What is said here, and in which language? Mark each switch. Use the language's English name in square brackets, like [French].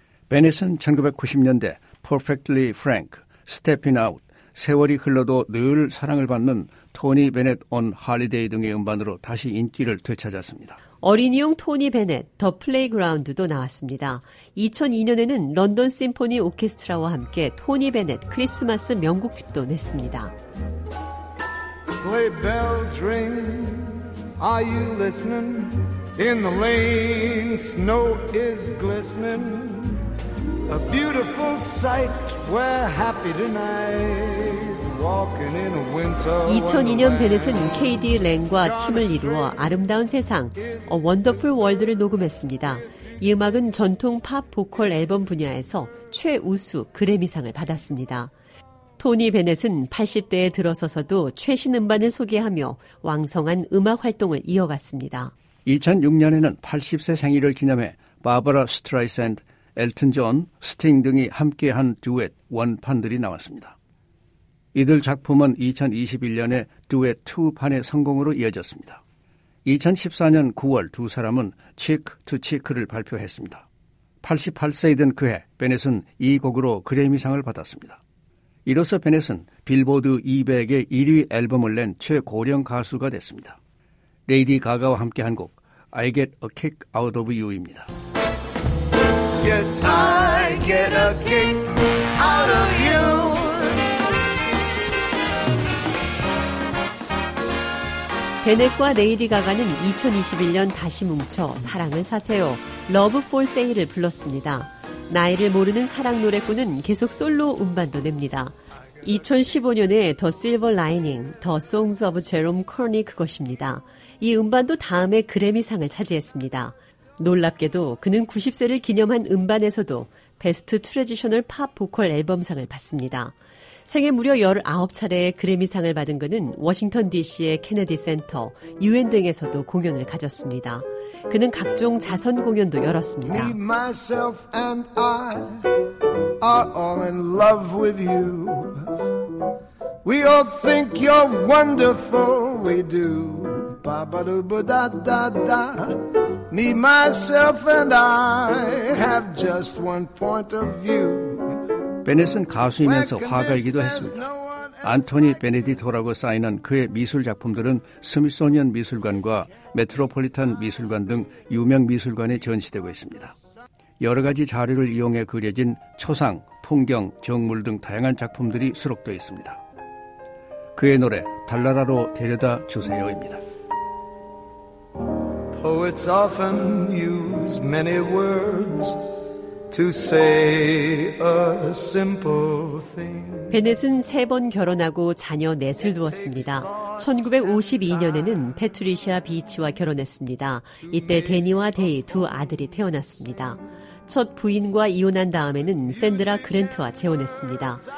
[Korean] 베넷은 1990년대 Perfectly Frank, Stepping Out, 세월이 흘러도 늘 사랑을 받는 토니 베넷 온 할리데이 등의 음반으로 다시 인기를 되찾았습니다. 어린이용 토니 베넷, 더 플레이그라운드도 나왔습니다. 2002년에는 런던 심포니 오케스트라와 함께 토니 베넷 크리스마스 명곡집도 냈습니다. [English] Sleigh bells ring, are you listening? In the lane, snow is glistening. A beautiful sight, we're happy tonight. [Korean] 2002년 베넷은 KD 랭과 팀을 이루어 아름다운 세상, A Wonderful World를 녹음했습니다. 이 음악은 전통 팝 보컬 앨범 분야에서 최우수 그래미상을 받았습니다. 토니 베넷은 80대에 들어서서도 최신 음반을 소개하며 왕성한 음악 활동을 이어갔습니다. 2006년에는 80세 생일을 기념해 바버라 스트라이샌드, 엘튼 존, 스팅 등이 함께한 듀엣 원판들이 나왔습니다. 이들 작품은 2021년에 듀엣 2판의 성공으로 이어졌습니다. 2014년 9월 두 사람은 Cheek to Cheek를 발표했습니다. 88세이 된 그해 베넷은 이 곡으로 그래미상을 받았습니다. 이로써 베넷은 빌보드 200의 1위 앨범을 낸 최고령 가수가 됐습니다. 레이디 가가와 함께한 곡 I Get a Kick Out of You입니다. [English] I get a kick out of you. [Korean] 베넷과 레이디 가가는 2021년 다시 뭉쳐 사랑을 사세요, Love for Sale을 불렀습니다. 나이를 모르는 사랑 노래꾼은 계속 솔로 음반도 냅니다. 2015년에 The Silver Lining, The Songs of Jerome Kern이 그것입니다. 이 음반도 다음에 그래미상을 차지했습니다. 놀랍게도 그는 90세를 기념한 음반에서도 베스트 트래디셔널 팝 보컬 앨범상을 받습니다. 생애 무려 19차례의 그래미상을 받은 그는 워싱턴 DC의 케네디 센터, UN 등에서도 공연을 가졌습니다. 그는 각종 자선 공연도 열었습니다. [English] Me, myself and I are all in love with you. We all think you're wonderful, we do. Ba-ba-do-ba-da-da-da. Me, myself and I have just one point of view. [Korean] 베넷은 가수이면서 화가이기도 했습니다. 안토니 베네디토라고 쌓이는 그의 미술 작품들은 스미소니언 미술관과 메트로폴리탄 미술관 등 유명 미술관에 전시되고 있습니다. 여러 가지 자료를 이용해 그려진 초상, 풍경, 정물 등 다양한 작품들이 수록되어 있습니다. 그의 노래 달나라로 데려다 주세요입니다. [English] Poets often use many words to say a simple thing. [Korean] 베넷은 세 번 결혼하고 자녀 넷을 두었습니다. 1952년에는 패트리시아 비치와 결혼했습니다. 이때 데니와 데이 두 아들이 태어났습니다. 첫 부인과 이혼한 다음에는 샌드라 그랜트와 재혼했습니다.